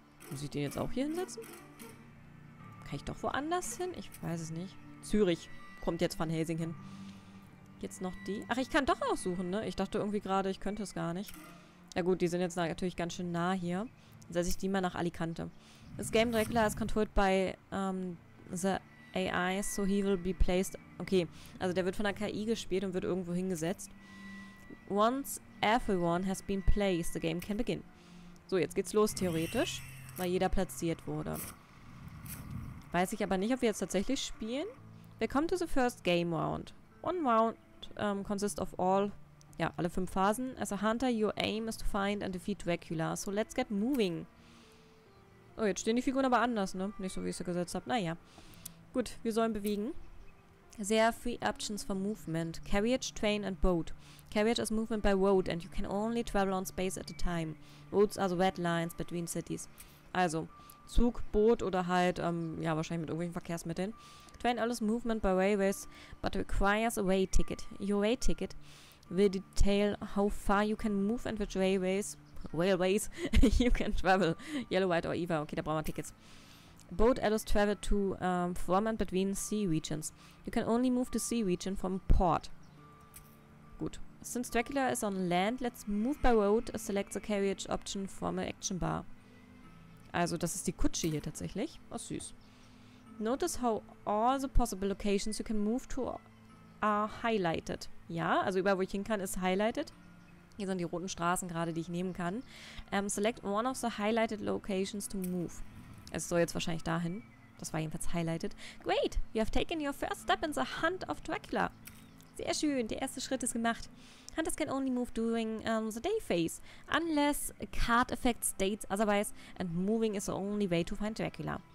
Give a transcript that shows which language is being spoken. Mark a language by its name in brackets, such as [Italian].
[German] Muss ich den jetzt auch hier hinsetzen? Kann ich doch woanders hin? Ich weiß es nicht. Zürich kommt jetzt Van Helsing hin. Jetzt noch die. Ach, ich kann doch aussuchen, ne? Ich dachte irgendwie gerade, ich könnte es gar nicht. Ja gut, die sind jetzt natürlich ganz schön nah hier. Dann setze ich die mal nach Alicante. [English] This game Dracula is controlled by the AI, so he will be placed... [German] Okay, also der wird von der KI gespielt und wird irgendwo hingesetzt. [English] Once everyone has been placed, the game can begin. [German] So, jetzt geht's los, theoretisch. Weil jeder platziert wurde. Weiß ich aber nicht, ob wir jetzt tatsächlich spielen. [English] Welcome to the first game round. One round consists of all... [German] Ja, alle 5 Phasen. [English] As a hunter, your aim is to find and defeat Dracula. So, let's get moving. [German] Oh, jetzt stehen die Figuren aber anders, ne? Nicht so, wie ich sie gesetzt habe. Naja. Gut, wir sollen bewegen. [English] There are 3 options for movement. Carriage, train and boat. Carriage is movement by road and you can only travel on space at a time. Roads are the red lines between cities. [German] Also, Zug, Boot oder halt, ja, wahrscheinlich mit irgendwelchen Verkehrsmitteln. [English] Train allows movement by railways, but requires a way ticket. Your way ticket will detail how far you can move and which railways Railways, you can travel. Yellow, white or either. [German] Okay, da brauchen wir Tickets. [English] Boat allows travel to from and between sea regions. You can only move to sea region from port. [German] Gut. [English] Since Dracula is on land, let's move by road. Select the carriage option from an action bar. [German] Also, das ist die Kutsche hier tatsächlich. Was süß. [English] Notice how all the possible locations you can move to are highlighted. [German] Ja, also überall, wo ich hin kann, ist highlighted. Hier sind die roten Straßen gerade, die ich nehmen kann. [English] Select one of the highlighted locations to move. [German] Es soll jetzt wahrscheinlich dahin. Das war jedenfalls highlighted. [English] Great, you have taken your first step in the Hunt of Dracula. [German] Sehr schön, der erste Schritt ist gemacht. [English] Hunters can only move during the day phase, unless a card effect states otherwise, and moving is the only way to find Dracula.